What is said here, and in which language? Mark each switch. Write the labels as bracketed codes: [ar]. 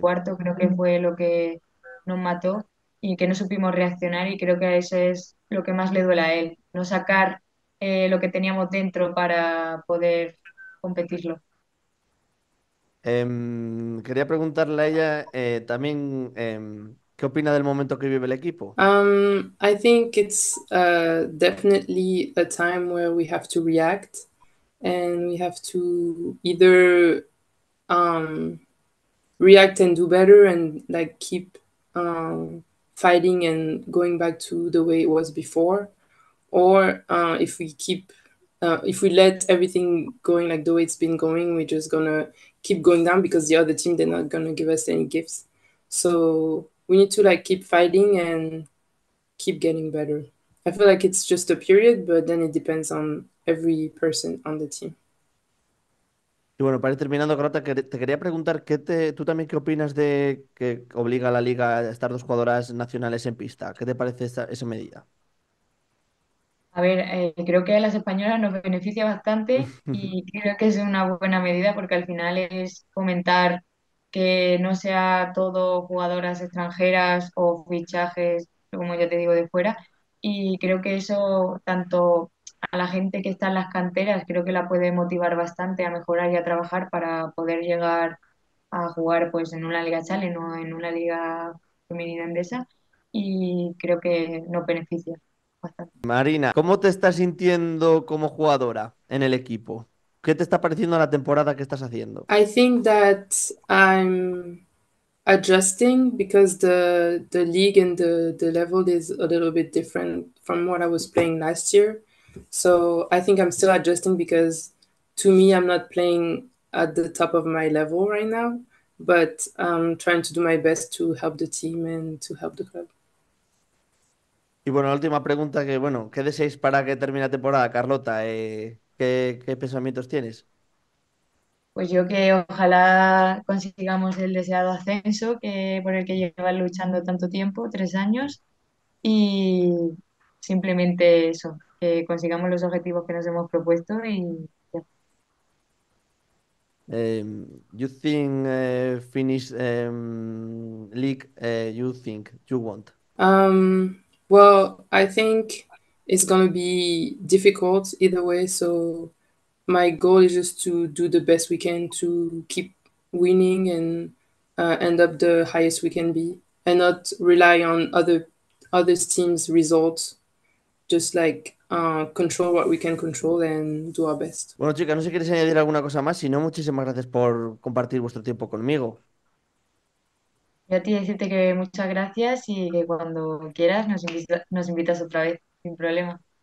[es] cuarto, creo que fue lo que nos mató y que no supimos reaccionar, y creo que eso es lo que más le duele a él, no sacar lo que teníamos dentro para poder competirlo. Quería preguntarle a ella también ¿qué opina del momento que vive el equipo? [en] I think it's definitely a time where we have to react and we have to either react and do better and like keep fighting and going back to the way it was before, or if we keep if we let everything going like the way it's been going, we're just gonna keep going down because the other team, they're not gonna give us any gifts. So we need to like keep fighting and keep getting better. I feel like it's just a period, but then it depends on every person on the team. [es] Y bueno, para ir terminando, Carota, que te quería preguntar, ¿tú también qué opinas de que obliga a la liga a estar dos jugadoras nacionales en pista? ¿Qué te parece esa medida? A ver, creo que a las españolas nos beneficia bastante y creo que es una buena medida porque al final es fomentar que no sea todo jugadoras extranjeras o fichajes, como ya te digo, de fuera. Y creo que eso, tanto a la gente que está en las canteras, creo que la puede motivar bastante a mejorar y a trabajar para poder llegar a jugar pues en una Liga Challenge o en una Liga Femenina Endesa. Y creo que nos beneficia bastante. Marina, ¿cómo te estás sintiendo como jugadora en el equipo? ¿Qué te está pareciendo la temporada que estás haciendo? [en] I think that I'm adjusting because the league and the level is a little bit different from what I was playing last year. So I think I'm still adjusting because to me, I'm not playing at the top of my level right now, but I'm trying to do my best to help the team and to help the club. [es] Y bueno, la última pregunta que, bueno, ¿qué deseáis para que termine la temporada, Carlota? ¿Qué pensamientos tienes? Pues yo que ojalá consigamos el deseado ascenso que por el que llevan luchando tanto tiempo, 3 años, y simplemente eso, que consigamos los objetivos que nos hemos propuesto y ya. [en] You think Finnish League, you think, you want? Well, I think it's gonna be difficult either way, so my goal is just to do the best we can to keep winning and end up the highest we can be and not rely on other teams' results. Just like control what we can control and do our best. [es] Bueno, chicas, no sé si queréis añadir alguna cosa más. Si no, muchísimas gracias por compartir vuestro tiempo conmigo. Y a ti decirte que muchas gracias y que cuando quieras nos invitas otra vez, sin problema.